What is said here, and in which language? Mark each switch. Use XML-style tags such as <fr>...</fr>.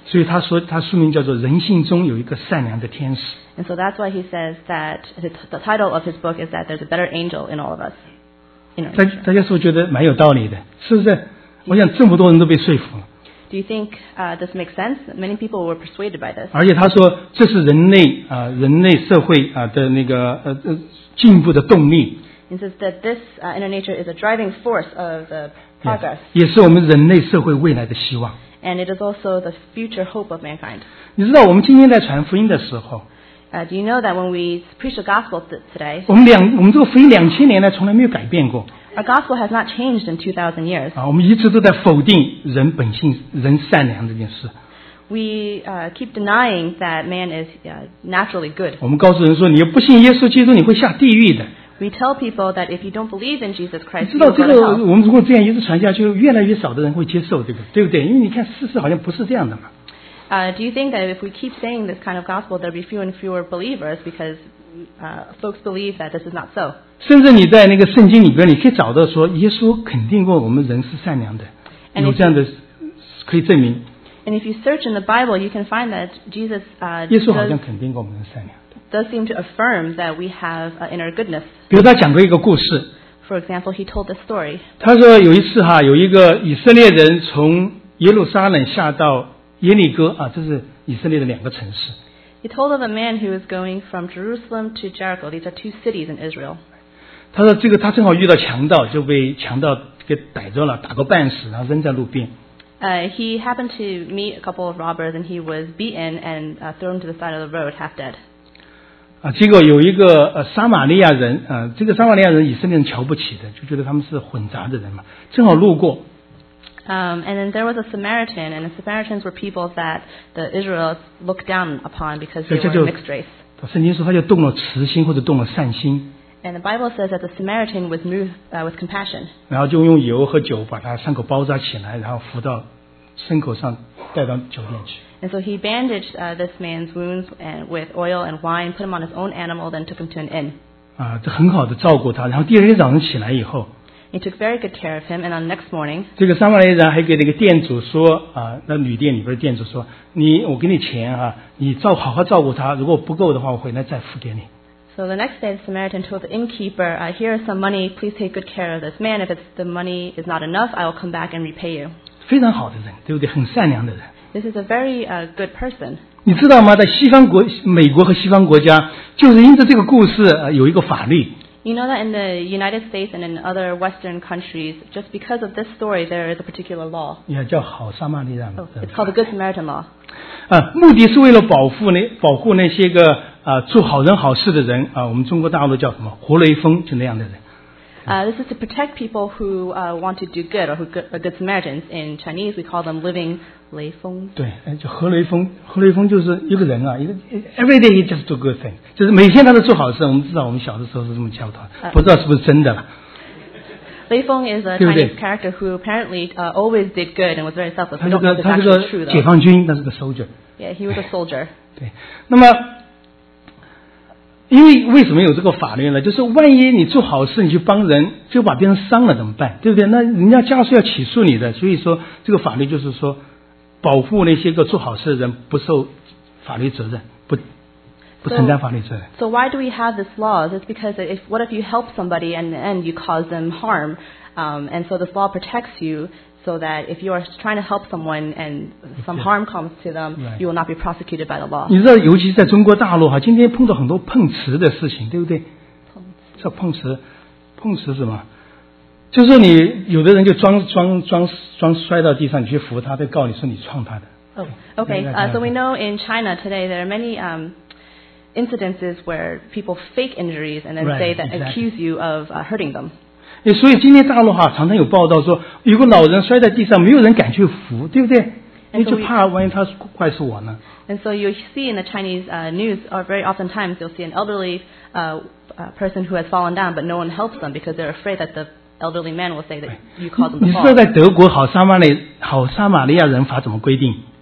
<zh>所以他说，他书名叫做《人性中有一个善良的天使》。</zh> <en>And so that's why he says that the title of his book is that there's a better angel in all of us.</en> <zh>大家是不是觉得蛮有道理的？是不是？我想这么多人都被说服了。</zh> <en>Do you think this makes sense? Many people were persuaded by this.</en> <zh>而且他说这是人类啊、人类社会啊、的那个进步的动力。</zh> <en>He says that this inner nature is a driving force of the progress.</en> <zh>也是我们人类社会未来的希望。</zh> <en>And it is also the future hope of mankind.</en> <zh>你知道我们今天在传福音的时候。</zh> <en>Do you know that when we preach the gospel today,</en> <zh>我们这个福音两千年来从来没有改变过。</zh> <en>Our gospel has not changed in 2,000 years.</en> <zh>我们一直都在否定人本性、人善良这件事。</zh> <en>We keep denying that man is naturally good.</en> <zh>我们告诉人说，你不信耶稣基督，你会下地狱的。</zh> <en>We tell people that if you don't believe in Jesus Christ,</en> <zh>知道这个，我们如果这样一直传下去，越来越少的人会接受这个，对不对？因为你看事实好像不是这样的嘛。</zh> <en>Do you think that if we keep saying this kind of gospel, there'll be fewer and fewer believers because folks believe that this is not so?</en> <zh>甚至你在那个圣经里边，你可以找到说，耶稣肯定过我们人是善良的，有这样的可以证明。</zh> <en>And if you search in the Bible, you can find that Jesus,</en> <zh>耶稣好像肯定过我们人善良的。</zh> <en>Does seem to affirm that we have inner goodness.</en> <zh>比如他讲过一个故事。</zh> <en>For example, he told this story.</en> <zh>他说有一次哈，有一个以色列人从耶路撒冷下到耶利哥啊，这是以色列的两个城市。</zh> <en>He told of a man who was going from Jerusalem to Jericho. These are two cities in Israel.</en> <zh>他说这个他正好遇到强盗，就被强盗给逮着了，打个半死，然后扔在路边。</zh> <en>He happened to meet a couple of robbers, and he was beaten and thrown to the side of the road, half dead.</en> <zh>啊，结果有一个撒玛利亚人啊、这个撒玛利亚人以色列人瞧不起的，就觉得他们是混杂的人嘛，正好路过。</zh> <en>And then there was a Samaritan, and the Samaritans were people that the Israelites looked down upon because they were mixed race.</en> <zh>圣经说他就动了慈心或者动了善心。</zh> <en>And the Bible says that the Samaritan was moved with compassion.</en> <zh>然后就用油和酒把他伤口包扎起来，然后扶到牲口上，带到酒店去。</zh> <en>And so he bandaged this man's wounds and with oil and wine, put him on his own animal, then took him to an inn.</en> <zh>啊，这很好的照顾他。然后第二天早上起来以后。</zh> <en>He took very good care of him, and on the next morning,</en> <zh>这个撒玛利亚人还给那个店主说啊，那旅店里边的店主说，你我给你钱啊，你照好好照顾他，如果不够的话，我回来再付给你。</zh> <en>So the next day, the Samaritan told the innkeeper, "Here is some money. Please take good care of this man. If it's the money is not enough, I will come back and repay you."</en> <zh>非常好的人，对不对？很善良的人。</zh> <en>This is a very good person.</en> <zh>你知道吗？在西方国，美国和西方国家，就是因着这个故事，有一个法律。</zh> <en>You know that in the United States and in other Western countries, just because of this story, there is a particular law.</en> <zh>Yeah, 叫好撒玛利亚。</zh> <en>It's called the Good Samaritan Law.</en> <zh>目的是为了保护那些个做好人好事的人我们中国大陆叫什么？活雷锋，就那样的人。</zh> <en>This is to protect people who want to do good or who are good Samaritans. In Chinese, we call them living 雷锋。</en> <zh>对，就活雷锋，活雷锋就是一个人啊，一个</zh> <en>every day he just do good thing，</en> <zh>就是每天他都做好事。我们知道，我们小的时候是这么教他，不知道是不是真的了。</zh> <en>雷锋 is a Chinese character who apparently always did good and was very selfless.</en> <zh>他是个解放军，他是个 soldier。</zh> <en>Yeah, he was a soldier.</en> <zh>对，那么。因为为什么有这个法律呢？就是万一你做好事，你去帮人，就把别人伤了怎么办？对不对？那人家家属要起诉你的。所以说，这个法律就是说，保护那些个做好事的人不受法律责任，不承担法律责任。</zh> <en>So why do we have this law? It's because what if you help somebody and you cause them harm? And so this law protects you so that if you are trying to help someone and some harm comes to them, you will not be prosecuted by the law.</en> <zh>你知道，尤其在中国大陆哈，今天碰到很多碰瓷的事情，对不对？碰瓷是什么？就是你有的人就装摔到地上，你去扶他，他告你说你撞他的。</zh> <en>So we know in China today there are many incidences where people fake injuries and then right, say that exactly. accuse you of hurting them.</en> <zh>所以今天大陆哈常常有报道说，有个老人摔在地上，没有人敢去扶，对不对？你就怕万一他怪是我呢。</zh> <en>And so you see in the Chinese news, or very oftentimes you'll see an elderly person who has fallen down, but no one helps them because they're afraid that the elderly man will say that you caused them to fall.</en> <zh>你知道在德国好撒玛利亚人法怎么规定</zh>